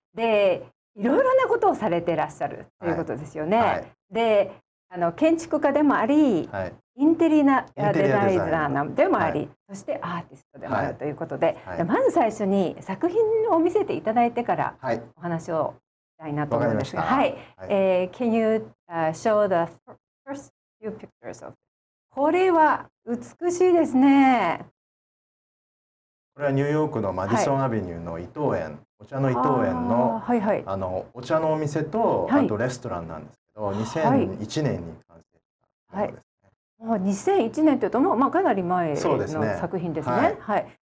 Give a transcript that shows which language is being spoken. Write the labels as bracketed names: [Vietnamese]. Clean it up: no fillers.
[Japanese] で、いろいろなことをされてらっしゃるということですよね。はい。で、建築家でもあり、はい、インテリアデザイナーでもあり、はい、そしてアーティストでもあるということで、はいはい、まず最初に作品を見せていただいてから、はい、お話を。わかりました。はい。 [English] はい、can you show the first few pictures of this? [Japanese] これは美しいですね。これはニューヨークのマディソンアベニューの伊藤園、はい、お茶の伊藤園の、はいはい、お茶のお店と、はい、あとレストランなんですけど、2001年に完成したものですね。はい、2001年というと、まあ、かなり前の作品ですね。ですね、はい。